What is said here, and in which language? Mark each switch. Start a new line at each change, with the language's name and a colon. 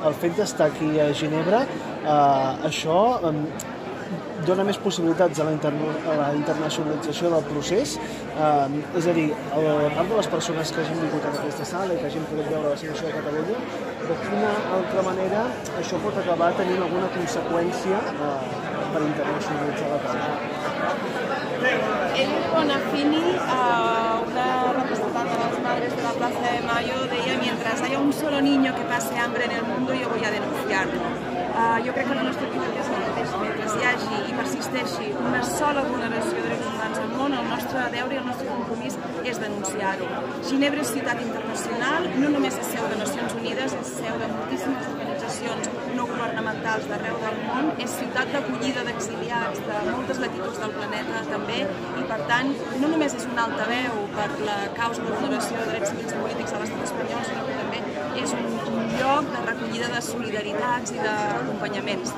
Catalan: El fet d'estar aquí a Ginebra, això dona més possibilitats a la internacionalització del procés? És a dir, a part de les persones que hagin vingut a aquesta sala i que hagin pogut veure la situació de Catalunya, de quina altra manera això pot acabar tenint alguna conseqüència per internacionalitzar la causa? Ella, quan afini, una representant de les
Spanish: Madres de la Plaza de Mayo, deia «Mientras haya un solo niño que pase hambre en el mundo, yo voy a denunciarlo».
Catalan: Jo crec que la nostra actitud és la mateixa. Mentre hi hagi i persisteixi una sola vulneració de drets humans al món, el nostre deure i el nostre compromís és denunciar-ho. Ginebra és ciutat internacional, no només és seu de Nacions Unides, és seu de moltíssimes organitzacions no governamentals d'arreu del món, és ciutat d'acollida d'exiliats de moltes latituds del planeta també, i per tant no només és un altaveu per la causa de vulneració de drets civils i polítics a l'estat espanyol, sinó que també és un lloc de recollida de solidaritats i d'acompanyaments.